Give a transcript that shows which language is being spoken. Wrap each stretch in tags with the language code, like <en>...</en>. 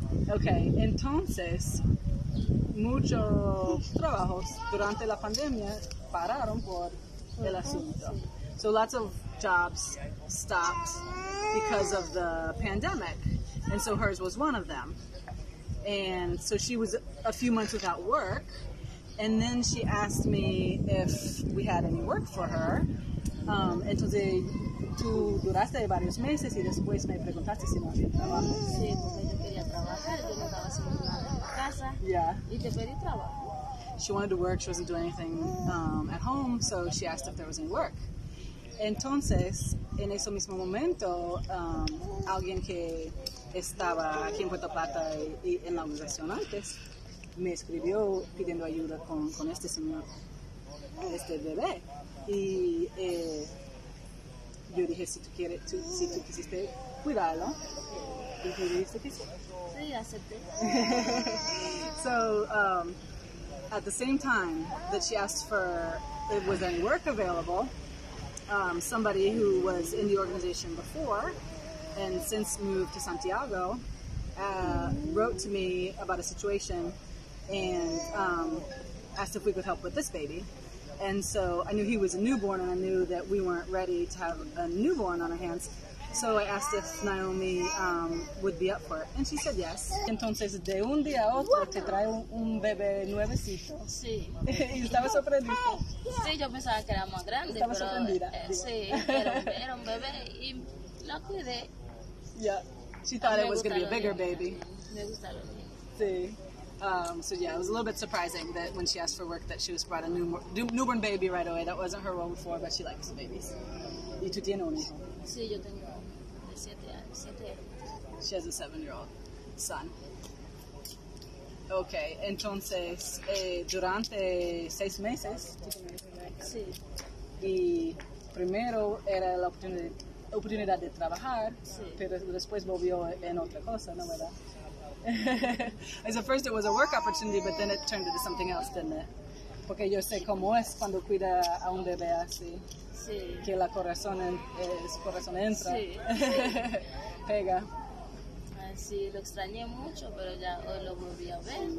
<es>Okay, entonces, muchos trabajos durante la pandemia pararon por el asunto.</es> <en>So lots of jobs stopped because of the pandemic, and so hers was one of them. And so she was a few months without work, and then she asked me if we had any work for her.</en> <es>Entonces, tú duraste varios meses y después me preguntaste si no había trabajo. Sí, porque yo quería trabajar, yo no estaba sin casa.</es> <en>Yeah.</en> <es>Y te pedí trabajo.</es> <en>She wanted to work, she wasn't doing anything at home, so she asked if there was any work.</en> <es>Entonces, en ese mismo momento, alguien que estaba aquí en Puerto Plata y en la organización antes, me escribió pidiendo ayuda con este señor, este bebé. Y yo dije, si tú quisiste cuidarlo, y tú dijiste que sí. Sí, acepté.</es> <en>So, at the same time that she asked for if there was any work available, somebody who was in the organization before and since moved to Santiago wrote to me about a situation and asked if we could help with this baby. And so I knew he was a newborn, and I knew that we weren't ready to have a newborn on our hands. So I asked if Nahomie would be up for it, and she said yes.</en> <es>Entonces, de un día a otro, te trae un bebé nuevecito. Sí. Y estaba sorprendida. Sí, yo pensaba que era más grande. Estaba sorprendida. Sí, era un bebé, y lo cuidé.</es> <en>Yeah, she thought it was going to be a bigger baby.</en> <es>Me gusta lo mío. Sí.</es> <en>So yeah, it was a little bit surprising that when she asked for work that she was brought a newborn baby right away. That wasn't her role before, but she likes babies.</en> <es>¿Y tú tienes un hijo? Sí, yo tengo 7 años.</es> <en>She has a 7-year-old son. Okay,</en> <es>entonces, durante 6 meses, sí. Y primero era la oportunidad oportunidad de trabajar, sí. Pero después volvió en otra cosa, ¿no, verdad?</es> <en>I said, first it was a work opportunity, but then it turned into something else, didn't it?</en> <es>Porque yo sé cómo es cuando cuida a un bebé así, sí. Que el corazón, corazón entra, sí. Pega. Sí, lo extrañé mucho, pero ya hoy lo volví a ver.</es>